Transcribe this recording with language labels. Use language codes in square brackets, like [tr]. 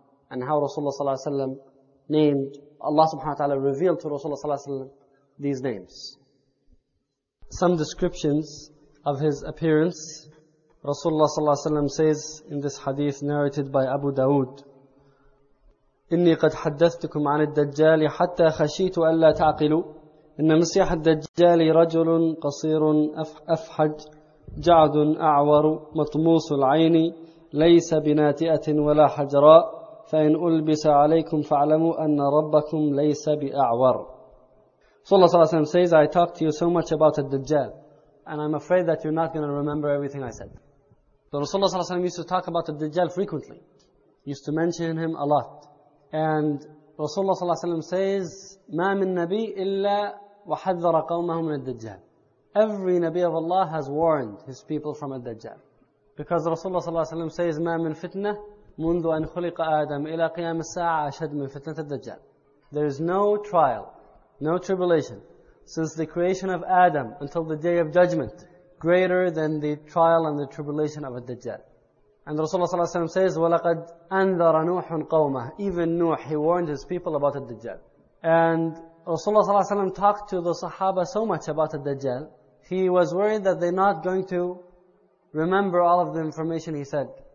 [en] And how Rasulullah sallallahu alayhi wa sallam named, Allah subhanahu wa ta'ala revealed to Rasulullah sallallahu alayhi wa sallam these names. Some descriptions of his appearance. Rasulullah sallallahu alayhi wa sallam says in this hadith narrated by Abu Dawood, [ar] إِنِّي قَدْ حَدَّثْتُكُمْ عَنِ الدَّجَّالِ حَتَّى خَشِيتُ أَلَّا تَعْقِلُوا إن مسيح الدجال رجل قصير أفحج جعد أعور مطموس العين ليس بناتئة ولا حجراء فإن ألبس عليكم فاعلموا أن ربكم ليس بأعور. [en] So Allah Sallallahu Alaihi Wasallam says, I talked to you so much about the Dajjal, and I'm afraid that you're not going to remember everything I said. So Rasulullah Sallallahu Alaihi Wasallam used to talk about the Dajjal frequently. He used to mention him a lot. And Rasulullah Sallallahu Alaihi Wasallam says, [ar] مَا مِن نَبِي إِلَّا وَحَذَّرَ قَوْمَهُ مِنَ الدَّجَّالِ. [en] Every Nabi of Allah has warned his people from al-Dajjal. Because Rasulullah Sallallahu Alaihi Wasallam says, [ar] مَا مِن فِتْنَةِ مُنْذُ أَنْ خُلِقَ آدَمْ إِلَى قِيَامِ السَّاعَةِ أَشَدْ مِن فِتْنَةِ الدَّجَّالِ. [en] There is no trial, no tribulation, since the creation of Adam until the Day of Judgment, greater than the trial and the tribulation of al-Dajjal. And Rasulullah Sallallahu Alaihi Wasallam says, [ar] وَلَقَدْ أَنذَرَ نُوحٌ قَوْمَهُ. [en] Even Nuh, he warned his people about al-Dajjal. And Rasulullah Sallallahu Alaihi Wasallam talked to the Sahaba so much about al-Dajjal, he was worried that they're not going to remember all of the information he said.